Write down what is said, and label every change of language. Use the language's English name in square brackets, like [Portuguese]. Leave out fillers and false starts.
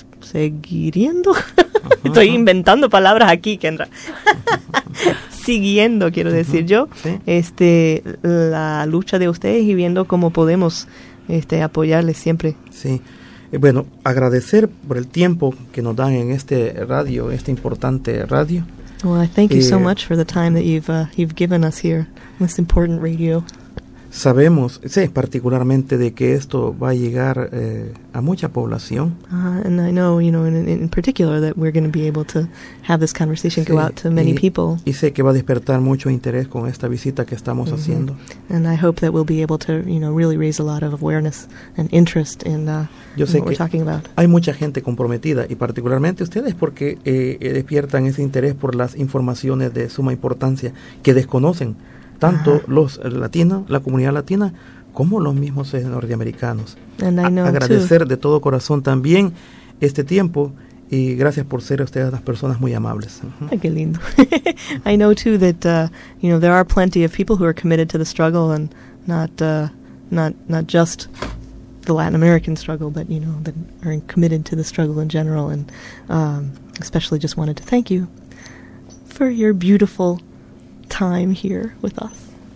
[Spanish] Estoy inventando palabras aquí, Kendra. Siguiendo, quiero decir yo, la lucha de ustedes y viendo cómo podemos apoyarles siempre. Sí. Bueno, agradecer por el tiempo que nos dan en este radio, este importante radio. [English] Well, I thank you so much for the time that you've given us here, this important radio. [Spanish] sabemos, sí, particularmente de que esto va a llegar a mucha población. [English] And I know, you know, in particular that we're going to be able to have this conversation, [Spanish] sí, [English] go out to many people. [Spanish] Y sé que va a despertar mucho interés con esta visita que estamos mm-hmm. haciendo. [English] And I hope that we'll be able to, you know, really raise a lot of awareness and interest in what we're talking about. [Spanish] Hay mucha gente comprometida y particularmente ustedes porque despiertan ese interés por las informaciones de suma importancia que desconocen. Tanto los latinos, la comunidad latina, como los mismos norteamericanos. Agradecer [English] too. [Spanish] De todo corazón también este tiempo y gracias por ser ustedes las personas muy amables. Ay, qué lindo. [English] I know too that you know there are plenty of people who are committed to the struggle and not just the Latin American struggle, but you know that are committed to the struggle in general and especially just wanted to thank you for your beautiful time here with us.